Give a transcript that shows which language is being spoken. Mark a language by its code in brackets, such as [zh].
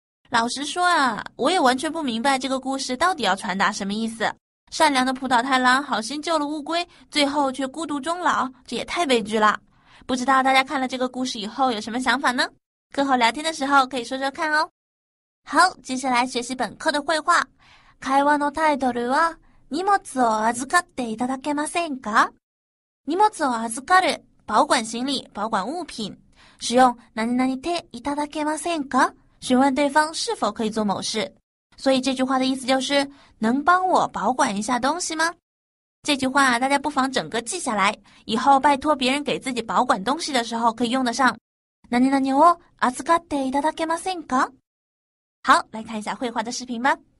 [zh] 老实说啊，我也完全不明白这个故事到底要传达什么意思。善良的浦岛太郎好心救了乌龟，最后却孤独终老，这也太悲剧了。不知道大家看了这个故事以后有什么想法呢？课后聊天的时候可以说说看哦。好，接下来学习本课的绘画。 [ja] 会話のタイトルは、荷物を預かっていただけませんか？荷物を預かる、 [zh] 保管行李、保管物品。 [ja] 使用、何々ていただけませんか？ [zh] 询问对方是否可以做某事。所以这句话的意思就是、能帮我保管一下东西吗？这句话大家不妨整个记下来、以后拜托别人给自己保管东西的时候可以用得上。 [ja] 何々を預かっていただけませんか？ [zh] 好、来看一下绘画的视频吧。